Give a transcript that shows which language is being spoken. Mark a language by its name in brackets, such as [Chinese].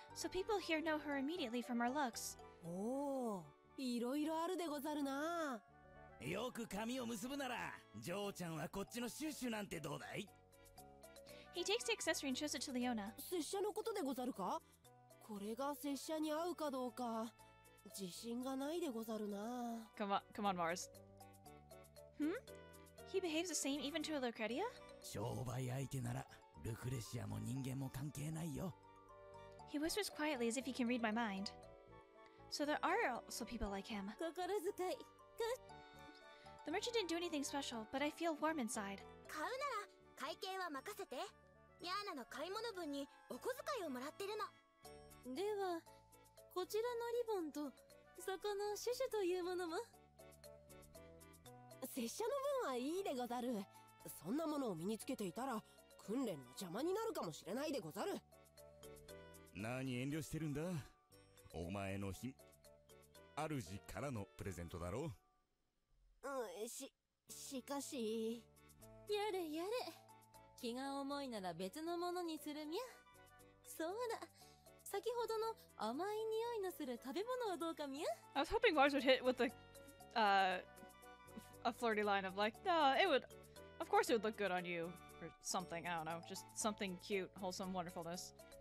[English] So people here know her immediately from our looks. [Japanese] Oh, いろいろあるでござるな。よく髪を結ぶなら、ジョーちゃんはこっちのシュシュなんてどうだい？ [English] He takes the accessory and shows it to Leona. [Japanese] 拙者のことでござるか？これが拙者に合うかどうか、自信がないでござるな。 [English] Come on, Mars. Hmm? He behaves the same even to a Lucretia? [Japanese] 商売相手なら、ルクレシアも人間も関係ないよ。 [English] He whispers quietly as if he can read my mind. So there are also people like him. [Japanese] 心遣い。 [English] The merchant didn't do anything special, but I feel warm inside. [Japanese] 買うなら、会計は任せて。ニャーナの買い物分にお小遣いをもらってるの。ではこちらのリボンとそこのシュシュというものも。拙者の分はいいでござる。そんなものを身につけていたら訓練の邪魔になるかもしれないでござる。何遠慮してるんだ。お前の主からのプレゼントだろう。しかしやれやれ、気が重いなら別のものにするみゃ。そうだ、先ほどの甘い匂いのする食べ物はどうかみゃ。 [English] I was hoping Lars would hit with the, a flirty line of like, no, it would, of course it would look good on you, or something, I don't know, just something cute, wholesome wonderfulness.